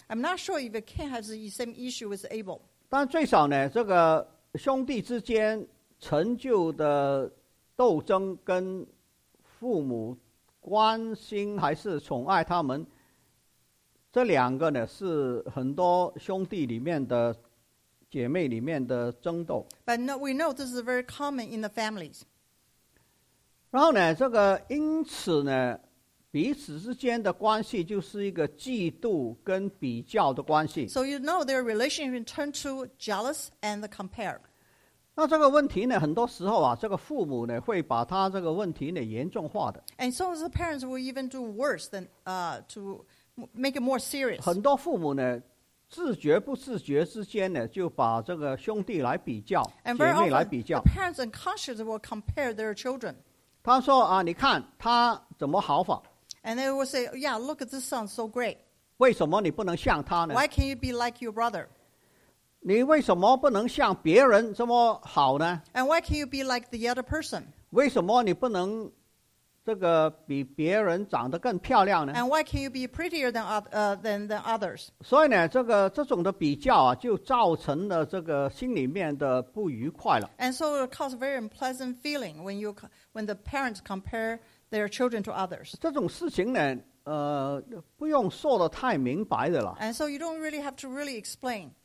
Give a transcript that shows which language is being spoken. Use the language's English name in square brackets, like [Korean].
[English] I'm not sure if Cain has the same issue with Abel. [Chinese] 但最少呢，这个兄弟之间成就的斗争跟父母关心还是宠爱他们。这两个呢是很多兄弟里面的姐妹里面的争斗。 [English] But no, we know this is very common in the families. [Chinese] 然后呢，这个因此呢，彼此之间的关系就是一个嫉妒跟比较的关系。 [English] So you know their relationship turn to jealous and compare. [Chinese] 那这个问题呢，很多时候啊，这个父母呢会把他这个问题呢严重化的。 [English] And so the parents will even do worse than to. Make it more serious. [Chinese] 很多父母呢，自觉不自觉之间呢，就把这个兄弟来比较，姐妹来比较。 [English] The parents unconsciously will compare their children. [Chinese] 他说啊，你看他怎么好法 [English] ？And they will say, "Yeah, look at this son, so great." [Chinese] 为什么你不能像他呢 [English] ？Why can't you be like your brother? [Chinese] 你为什么不能像别人这么好呢 [English] ？And why can't you be like the other person? [Chinese] 为什么你不能？这个比别人长得更漂亮呢 [English] ？And why can you be prettier than than others？ [Chinese] 所以呢，这种的比较啊，就造成了这个心里面的不愉快了。 [English] And so it causes very unpleasant feeling when the parents compare their children to others。 [Chinese] 这种事情呢，不用说得太明白的了。 [English] And so you don't really have to really explain。